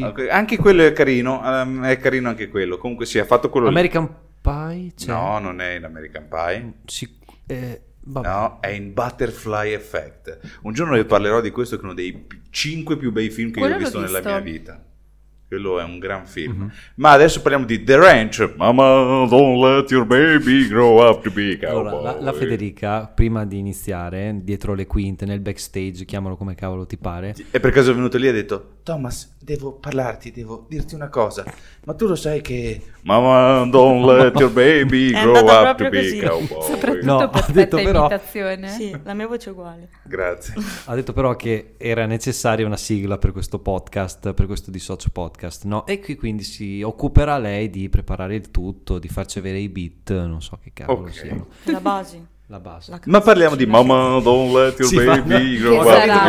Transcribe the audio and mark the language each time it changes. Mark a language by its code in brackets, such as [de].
[it] No, anche quello è carino. È carino anche quello. Comunque, sì, ha fatto quello. American lì. Pie? Cioè... No, non è in American Pie. Vabbè. No, è in Butterfly Effect. Un giorno vi parlerò di questo, che è uno dei 5 più bei film che quello io ho visto, visto nella mia vita. Quello è un gran film. Mm-hmm. Ma adesso parliamo di The Ranch. [en] Mama, don't let your baby grow up to be cowboy. [it] Allora, la Federica, prima di iniziare, dietro le quinte, nel backstage, chiamalo come cavolo ti pare. E per caso è venuto lì e ha detto, Thomas, devo parlarti, devo dirti una cosa. Ma tu lo sai che... [en] Mama, don't let your baby grow up to be cowboy. [it] Soprattutto no, perfetta ha detto imitazione. Sì, la mia voce è uguale. Grazie. Ha detto però che era necessaria una sigla per questo podcast, per questo dissocio podcast. Podcast, no? E qui quindi si occuperà lei di preparare il tutto, di farci avere i beat, non so che cavolo okay siano. La base. Ma parliamo di Mama, don't let your baby grow up.